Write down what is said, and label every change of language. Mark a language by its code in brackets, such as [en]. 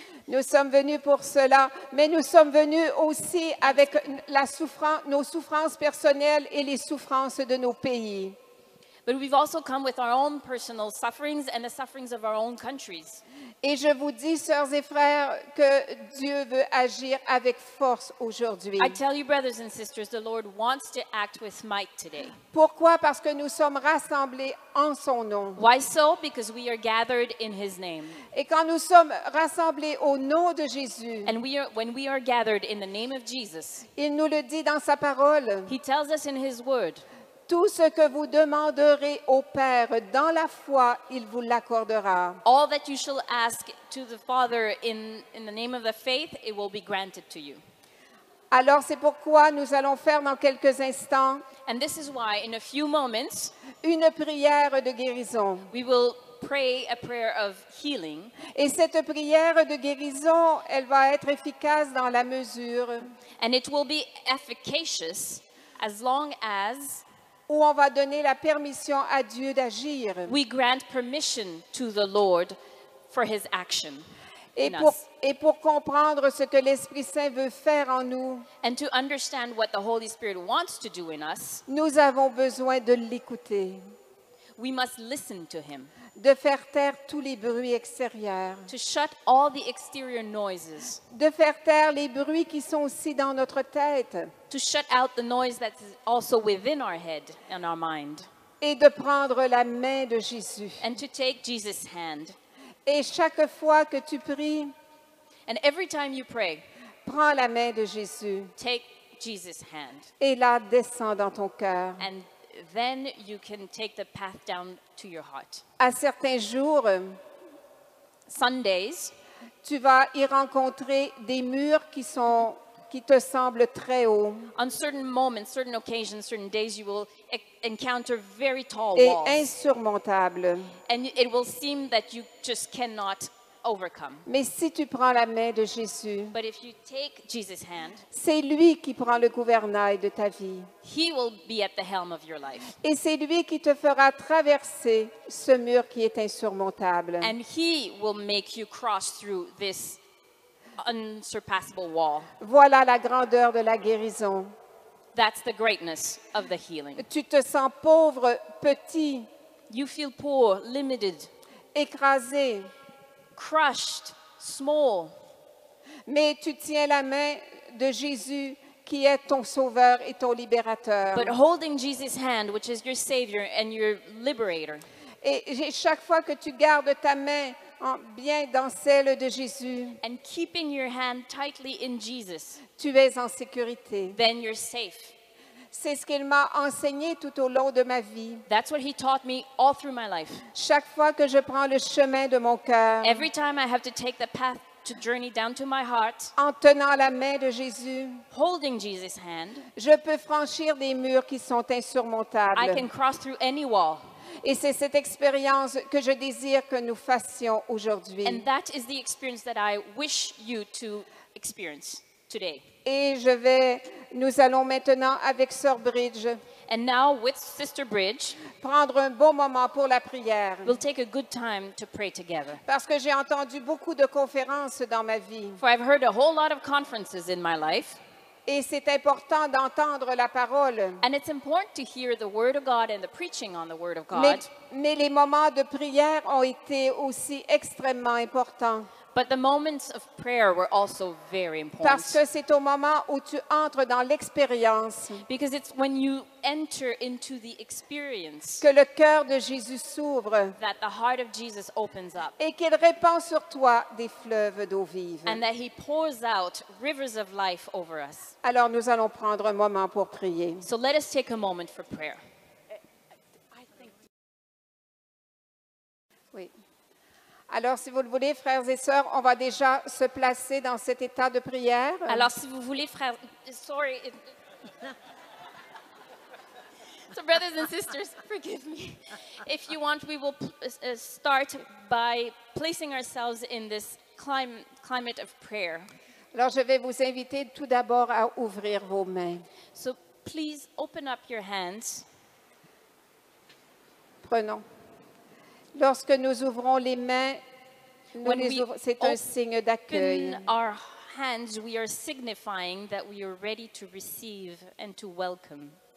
[fr] Nous sommes venus pour cela, mais nous sommes venus aussi avec nos souffrances personnelles et les souffrances de nos pays. [en] But we've also come with our own personal sufferings and the sufferings of our own countries. [fr] Et je vous dis, sœurs et frères, que Dieu veut agir avec force aujourd'hui. [en] I tell you, brothers and sisters, the Lord wants to act with might today. [fr] Pourquoi? Parce que nous sommes rassemblés en son nom. [en] Why so? Because we are gathered in his name. [fr] Et quand nous sommes rassemblés au nom de Jésus, [en] and when we are gathered in the name of Jesus, [fr] il nous le dit dans sa parole. [en] He tells us in his word. [fr] Tout ce que vous demanderez au Père dans la foi, il vous l'accordera. [en] All that you shall ask to the Father in the name of the faith, it will be granted to you. [fr] Alors, c'est pourquoi nous allons faire dans quelques instants [en] and this is why, in a few moments, [fr] une prière de guérison. [en] We will pray a prayer of healing. [fr] Et cette prière de guérison, elle va être efficace dans la mesure [en] and it will be efficacious as long as [fr] où on va donner la permission à Dieu d'agir. [en] We grant permission to the Lord for his action. [fr] Et pour comprendre ce que l'Esprit Saint veut faire en nous, [en] and to understand what the Holy Spirit wants to do in us, [fr] nous avons besoin de l'écouter. [en] We must listen to him. [fr] De faire taire tous les bruits extérieurs. [en] To shut all the exterior noises. [fr] De faire taire les bruits qui sont aussi dans notre tête. [en] To shut out the noise that's also within our head and our mind. [fr] Et de prendre la main de Jésus. [en] And to take Jesus' hand. [fr] Et chaque fois que tu pries, [en] and every time you pray, [fr] prends la main de Jésus. [en] Take Jesus' hand. [fr] Et la descend dans ton cœur. [en] And then you can take the path down to your heart. [fr] À certains jours, [en] Sundays, [fr] tu vas y rencontrer des murs qui te semblent très hauts. [en] On certain moments, certain occasions, certain days, you will encounter very tall [fr] et [en] walls. [fr] Et insurmontables. [en] And it will seem that you just cannot overcome. [fr] Mais si tu prends la main de Jésus, [en] but if you take Jesus' hand, [fr] c'est lui qui prend le gouvernail de ta vie. [en] He will be at the helm of your life. [fr] Et c'est lui qui te fera traverser ce mur qui est insurmontable. [en] And he will make you cross through this unsurpassable wall. [fr] Voilà la grandeur de la guérison. [en] That's the greatness of the healing. [fr] Tu te sens pauvre, petit. [en] You feel poor, limited. [fr] Écrasé. [en] Crushed, small. [fr] Mais tu tiens la main de Jésus qui est ton sauveur et ton libérateur. [en] But holding Jesus' hand, which is your savior and your liberator. [fr] Et chaque fois que tu gardes ta main bien dans celle de Jésus, [en] and keeping your hand tightly in Jesus, [fr] tu es en sécurité. [en] Then you're safe. [fr] C'est ce qu'il m'a enseigné tout au long de ma vie. [en] That's what he taught me all through my life. [fr] Chaque fois que je prends le chemin de mon cœur, [en] every time I have to take the path to journey down to my heart, [fr] en tenant la main de Jésus, [en] holding Jesus' hand, [fr] je peux franchir des murs qui sont insurmontables. [en] I can cross through any wall. [fr] Et c'est cette expérience que je désire que nous fassions aujourd'hui. [en] And that is the experience that I wish you to experience today. [fr] Et je vais, nous allons maintenant avec Sœur Bridge, [en] and now with Sister Bridge, [fr] prendre un bon moment pour la prière. [en] We'll take a good time to pray together. [fr] Parce que j'ai entendu beaucoup de conférences dans ma vie. [en] For I've heard a whole lot of conferences in my life. [fr] Et c'est important d'entendre la parole. [en] And it's important to hear the word of God and the preaching on the word of God. [fr] Mais les moments de prière ont été aussi extrêmement importants. [en] But the moments of prayer were also very important. [fr] Parce que c'est au moment où tu entres dans l'expérience. [en] Because it's when you enter into the experience. [fr] Que le cœur de Jésus s'ouvre. [en] That the heart of Jesus opens up. [fr] Et qu'il répand sur toi des fleuves d'eau vive. [en] And that he pours out rivers of life over us. [fr] Alors nous allons prendre un moment pour prier. [en] So let us take a moment for prayer. [fr] Alors, si vous le voulez, frères et sœurs, on va déjà se placer dans cet état de prière. Alors, si vous voulez, frères... [en] Sorry. So, brothers and sisters, forgive me. If you want, we will start by placing ourselves in this climate of prayer. [fr] Alors, je vais vous inviter tout d'abord à ouvrir vos mains. [en] So, please open up your hands. [fr] Prenons. Lorsque nous ouvrons les mains, c'est un signe d'accueil. [en] When we open our hands, we are signifying that we are ready to receive and to welcome.